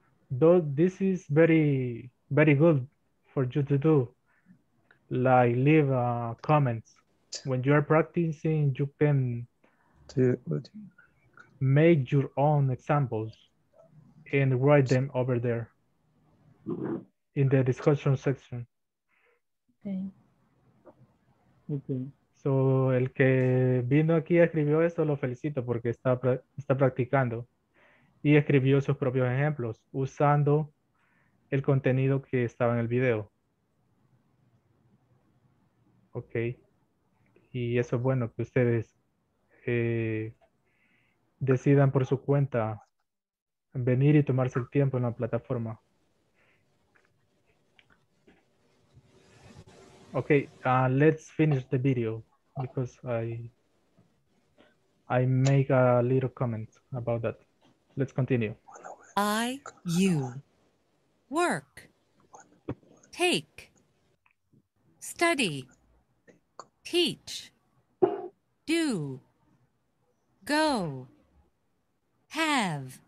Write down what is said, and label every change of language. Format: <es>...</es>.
<en>Though this is very, very good for you to do, like leave comments. When you are practicing, you can make your own examples and write them over there in the discussion section. Okay. Okay.</en> <es>So el que vino aquí escribió eso, lo felicito porque está practicando. Y escribió sus propios ejemplos usando el contenido que estaba en el video. Ok. Y eso es bueno que ustedes decidan por su cuenta venir y tomarse el tiempo en la plataforma. Ok.</es> <en>Let's finish the video because I make a little comment about that. Let's continue. I, you, work, take, study, teach, do, go, have,</en>